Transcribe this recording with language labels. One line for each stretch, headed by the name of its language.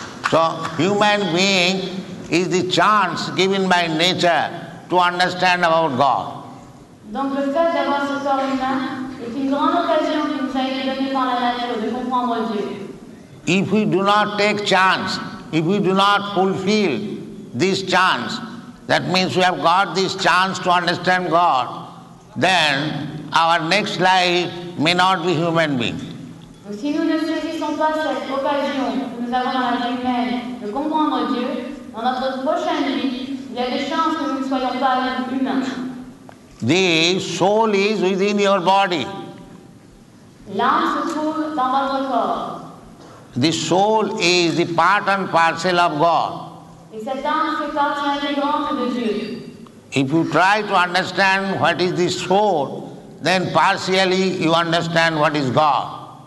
English: So, human being is the chance given by nature to understand about God.
French: Donc le fait d'avoir ce corps humain est une grande occasion qui nous a été donnée par la nature de comprendre Dieu.
English: If we do not take chance, if we do not fulfill this chance, that means we have got this chance to understand God, then our next life may not be human being.
French: Si nous ne saisissons pas cette occasion que nous avons dans la vie humaine de comprendre Dieu, dans notre prochaine vie, il y a des chances que nous ne soyons pas humains.
English: The soul is within your body.
French: L'âme se trouve dans votre corps.
English: The soul is the part and parcel of God.
French: Et cette âme fait partie intégrante de Dieu.
English: If you try to understand what is the soul, then partially you understand what is God.